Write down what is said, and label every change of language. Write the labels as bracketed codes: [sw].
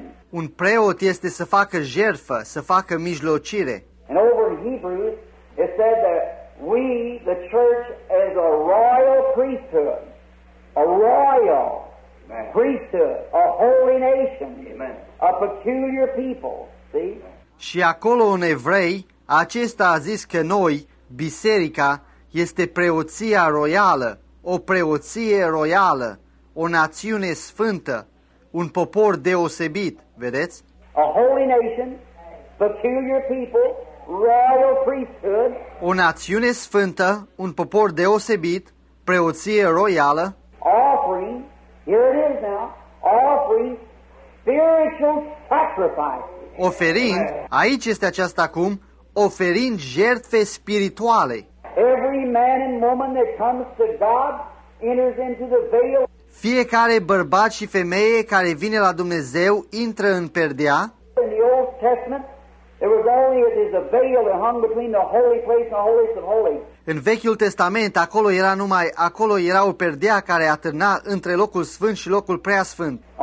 [ro] Un preot este să facă jertfă, să facă mijlocire. [en] And over in Hebrews, it said that we, the church, as a royal priesthood. A royal priesthood, a holy nation, amen. A peculiar people, see? [ro] Și acolo în Evrei, acesta a zis că noi, biserica, este preoția royală, o preoție royală, o națiune sfântă, un popor deosebit, vedeți? [en] A holy nation, peculiar people, royal priesthood. [ro] O națiune sfântă, un popor deosebit, preoție royală. [en] Offering, here it is now, offering spiritual sacrifice. [ro] Oferind, aici este aceasta acum, oferind jertfe spirituale. [en] Every man and woman that comes to God enters into the veil. [ro] Fiecare bărbat și femeie care vine la Dumnezeu intră în perdea. [en] In the Old Testament, there was only a veil that hung between the holy place and the holiest of holies. [ro] În Vechiul Testament, acolo era o perdea care atârna între locul sfânt și locul preasfânt.